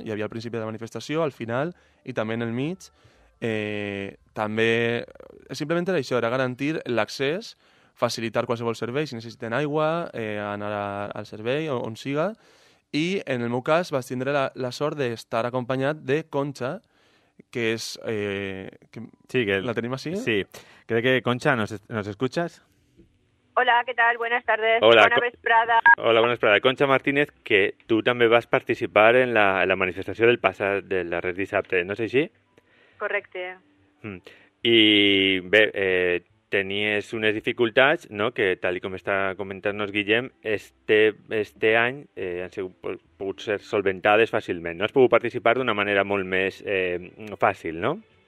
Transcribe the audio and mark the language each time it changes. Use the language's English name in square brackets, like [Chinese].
[Catalan] Hi havia al principi de la manifestació, al final i també en el mig. També simplement era això, era garantir l'accés, facilitar qualsevol servei, si necessiten aigua, anar al servei, on siga. I en el meu cas vaig tindre la sort d'estar acompanyat de Concha, que és... la tenim així? Sí. Crec que, [Spanish] Concha, ¿nos escuchas? Hola, ¿qué tal? Buenas tardes. Hola. Buena vesprada. Hola, buenas tardes. Concha Martínez, que tú también vas a participar en la manifestación del pasar de la red dissabte, ¿no es así? [Catalan] Correcte. Y, bé, tenies unes dificultats, ¿no?, que tal com està comentant-nos Guillem, este any han pogut ser solventades fàcilment, ¿no? Has pogut participar d'una manera molt més fàcil, ¿no?